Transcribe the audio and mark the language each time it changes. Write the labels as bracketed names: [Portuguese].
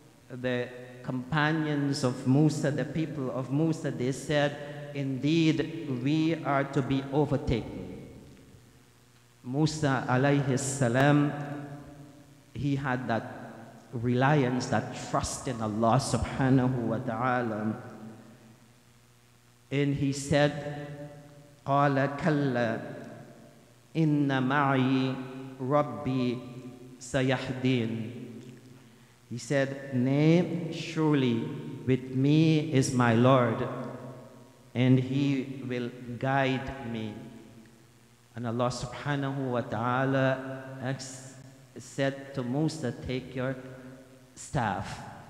[English] The companions of Musa, the people of Musa, they said, indeed, we are to be overtaken. Musa alayhi salam, he had that reliance, that trust in Allah subhanahu wa ta'ala. And he said, [Arabic] قَالَ كَلَّا إِنَّ مَعِي رَبِّي سَيَحْدِينَ. [English] He said, nay, surely with me is my Lord, and he will guide me. And Allah subhanahu wa ta'ala said to Musa, take your staff.